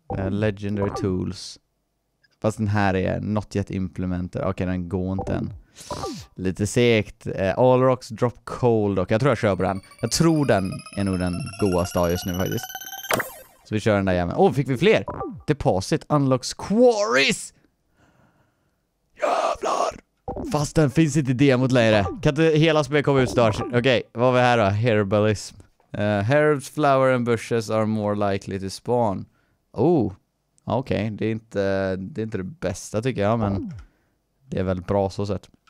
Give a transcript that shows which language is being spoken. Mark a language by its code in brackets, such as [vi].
[en] Legendary tools. [sv] Fast den här är [en] not yet implemented. [sv] Okej, den går inte än. Lite segt. [en] All rocks drop cold. [sv] Jag tror jag kör på den. Jag tror den är nog den godaste just nu faktiskt. Vi kör den där jämen. Åh, fick vi fler? [en] Deposit unlocks quarries! [sv] Jävlar! Fast den finns inte i demot längre. Kan inte hela spelet komma ut snart? Okej, vad har vi här då? Herbalism. [en] Herbs, flower and bushes are more likely to spawn. Oh, okej. Okay. [sv] Det är inte det bästa tycker jag, men det är väl bra så sett.